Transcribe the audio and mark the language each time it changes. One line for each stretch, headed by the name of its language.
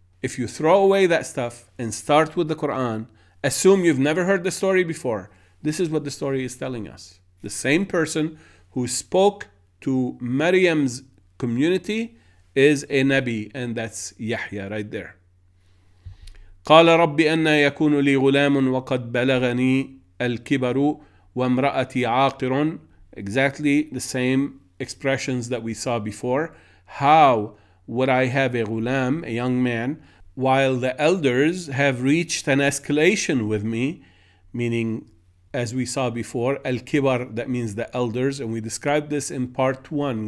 English: If you throw away that stuff and start with the Quran, assume you've never heard the story before. This is what the story is telling us. The same person who spoke to Maryam's community is a Nabi, and that's Yahya right there.
Arabic: قال ربي أن يكون لي غلام وقد بلغني الكبر وامرأتي عاقر.
English: Exactly the same expressions that we saw before. How would I have a ghulam, a young man, while the elders have reached an escalation with me, meaning, as we saw before, al-kibar, that means the elders, and we described this in part one.